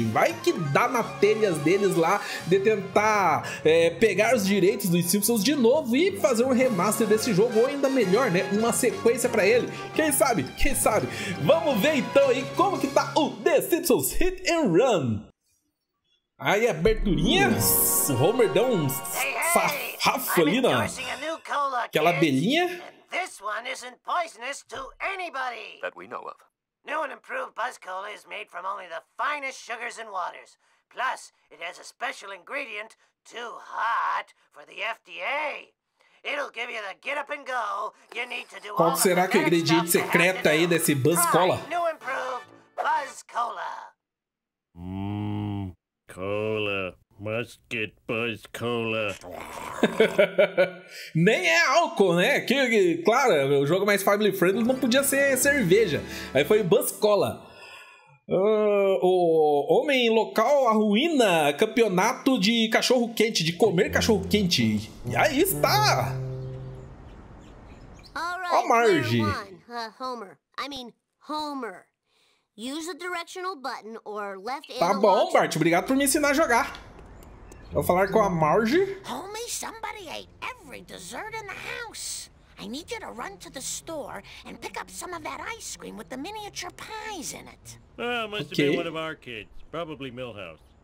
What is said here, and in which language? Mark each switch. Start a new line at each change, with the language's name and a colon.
Portuguese: Vai que dá na telhas deles lá de tentar pegar os direitos dos Simpsons de novo e fazer um remaster desse jogo, ou ainda melhor, né, uma sequência pra ele. Quem sabe? Vamos ver então aí como que tá o The Simpsons Hit and Run. Aí, aberturinha, o Homer deu um sarrafo ali na aquela abelhinha.
English: This one isn't poisonous to anybody that we know of. New and improved Buzz Cola is made from only the finest sugars and waters. Plus, it has a special ingredient too hot for the FDA. It'll give you the get up and go you need to do.
Portuguese: Qual será que o ingrediente secreto aí desse Buzz Cola?
English: New and improved Buzz Cola. Cola, must get Buzz Cola.
Portuguese: Nem é álcool, né? Que, claro, o jogo mais family friendly não podia ser cerveja. Aí foi Buzz Cola. O homem local arruina campeonato de cachorro quente, de comer cachorro quente. E aí está.
English: Ó, Marge. Homer. I mean, Homer. Use the directional button or left
Portuguese: tá
English: analog...
Portuguese: Bom, Bart, obrigado por me ensinar a jogar. Vou falar com a Marge.
English: Homie, somebody ate every dessert in the house. I need you to run to the store and pick up some of that ice cream with the miniature pies in it. Oh, must okay. Have been one of our kids, probably Milhouse.